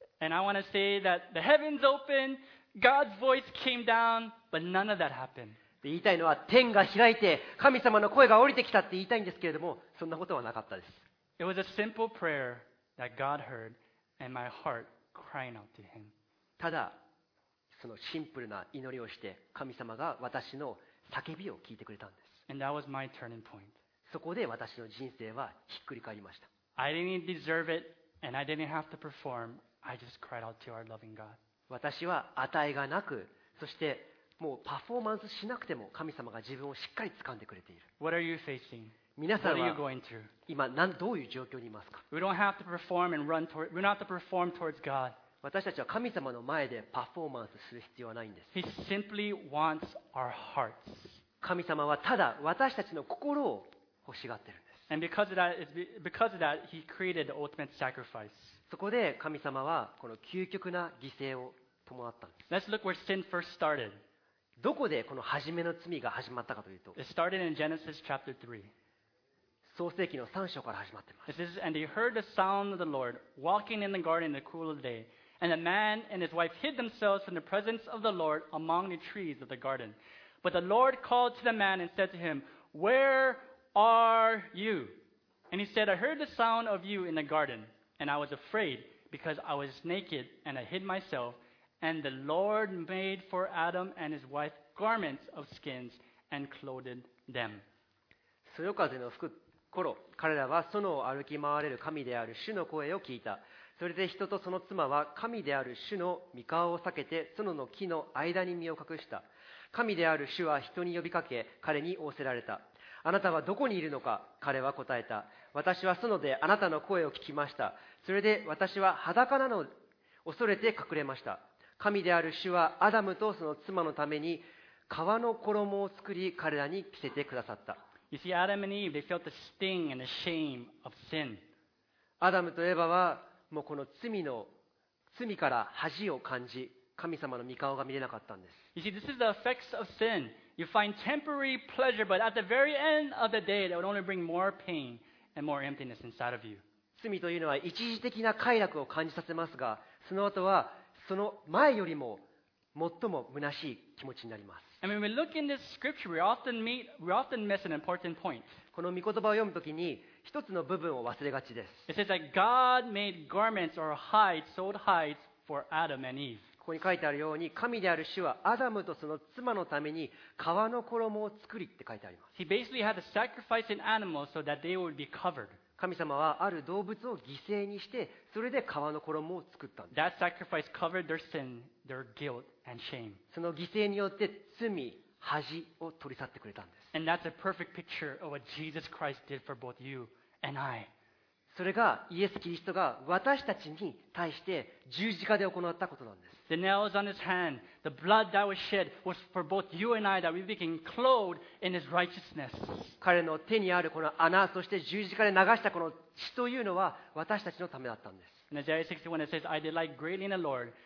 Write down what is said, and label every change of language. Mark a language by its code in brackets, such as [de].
[en] And I want to say that the heavens opened, God's voice came down, but none of that happened. [ja] で言いたいのは、天が開いて神様の声が降りてきたって言いたいんですけれども、そんなことはなかったです。 [en] It was a simple prayer that God heard, and my heart crying out to Him. [ja] ただそのシンプルな祈りをして神様が私の叫びを聞いてくれたんです。 [en] And that was my turning point. [ja] そこで私の人生はひっくり返りました。 [en] I didn't deserve it and I didn't have to perform. I just cried out to our loving God. [ja] 私は与えがなく、そしてもうパフォーマンスしなくても神様が自分をしっかり掴んでくれている。 [en] What are you facing? [ja] 皆さんは今どういう状況にいますか？ [en] We don't have to perform and run toward, we don't have to perform towards God. [ja] 私たちは神様の前でパフォーマンスする必要はないんです。 [en] He simply wants our hearts. [ja] 神様はただ私たちの心を欲しがってるんです。 [en] And because of that, He created the ultimate sacrifice. [ja] そこで神様はこの究極な犠牲を伴ったんです。 [en] Let's look where sin first started. [ja] どこでこの初めの罪が始まったかというと、 [en] It started in Genesis chapter 3. [ja] 創世記の3章から始まっています。 [en] It says, and he heard the sound of the Lord walking in the garden in the cool of the day, and the man and his wife hid themselves from the presence of the Lord among the trees of the garden. But the Lord called to the man and said to him, Where are you? And he said, I heard the sound of you in the garden, and I was afraid because I was naked and I hid myself. And the Lord made for Adam and his wife garments of skins and clothed them. [ja] そよ風の吹く彼らは園を歩き回れる神である主の声を聞いた。それで人とその妻は神である主の御顔を避けて園の木の間に身を隠した。神である主は人に呼びかけ彼に仰せられた。あなたはどこにいるのか。彼は答えた。私は園であなたの声を聞きました。それで私は裸なのを恐れて隠れました。神である主はアダムとその妻のために革の衣を作り彼らに着せてくださった。 [en] You see, Adam and Eve, they felt the sting and the shame of sin. Adam and Eve were, [ja] この罪の罪から恥を感じ、神様の御顔が見れなかったんです。 [en] You see, this is the effects of sin. You find temporary pleasure, but at the very end of the day, that would only bring more pain and more emptiness inside of you. [ja] 罪というのは一時的な快楽を感じさせますが、その後はその前よりも最も虚しい気持ちになります。 [en] And when we look in this scripture, we often miss an important point. [ja] この御言葉を読むときに一つの部分を忘れがちです。 [en] It says that God made garments or hides, sewed hides for Adam and Eve. [ja] ここに書いてあるように、神である主はアダムとその妻のために革の衣を作りって書いてあります。 [en] He basically had to sacrifice an animal so that they would be covered. [ja] 神様はある動物を犠牲にして、それで革の衣を作ったんです。 [en] That sacrifice covered their sin. Their guilt and shame. [ja] その犠牲によって罪、恥を取り去ってくれたんです。 [en] And that's a perfect picture of what Jesus Christ did for both you and I. [ja] それがイエス・キリストが私たちに対して十字架で行ったことなんです。 [en] The nails on his hand, the blood that was shed was for both you and I that we became clothed in his righteousness. [ja] 彼の手にあるこの穴、そして十字架で流したこの血というのは私たちのためだったんです。 [en] In Isaiah 61, it says, I delight greatly in the Lord.